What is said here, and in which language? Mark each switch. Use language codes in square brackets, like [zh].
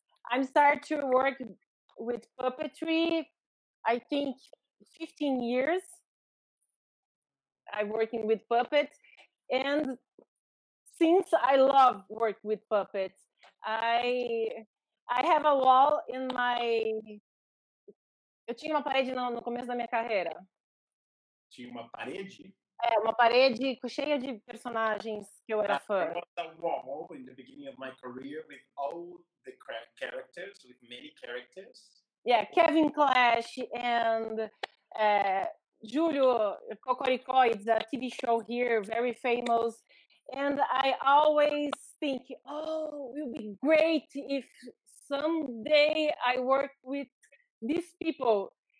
[en] I'm started to work with puppetry, I think 15 years. I'm working with puppets. And since I love work with puppets, I have a wall in my... [pt] Eu tinha uma parede no começo da minha carreira. Tinha uma parede? É, uma parede cheia de personagens que eu era fã. [en] I had a wall in the beginning of my career with all the characters, with many characters. Yeah, Kevin Clash and Julio Cocoricoids, a TV show here, very famous. And I always think, oh, it would be great if someday I work with these people.